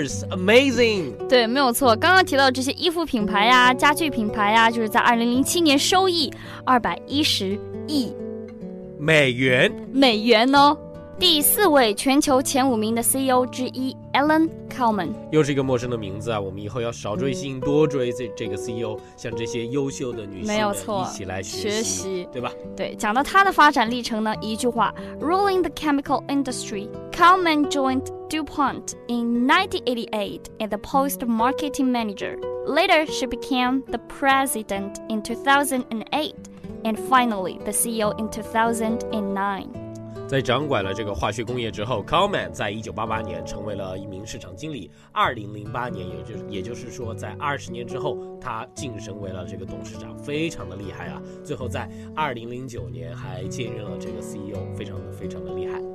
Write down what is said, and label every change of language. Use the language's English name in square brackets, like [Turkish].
[English] Amazing! [Chinese] 对，没有错，刚刚提到这些衣服品牌呀，家具品牌呀，就是在2007年收益210亿美元。美元哦。第四位全球前五名的 CEO 之一 Alan Kalman，又是一个陌生的名字啊，我们以后要少追星，多追这个 CEO， 像这些优秀的女性们，没有错，一起来学习，对吧？对，讲到他的发展历程呢，一句话 [English] ，Ruling the chemical industry， Kalman joined DuPont in 1988 as a post marketing manager. Later, she became the president in 2008, and finally the CEO in 2009. [Chinese] 在掌管了这个化学工业之后 Kalman 在1988年成为了一名市场经理，2008年也就是说在20年之后他晋升为了这个董事长，非常的厉害啊，最后在2009年还兼任了这个 CEO， 非常的厉害。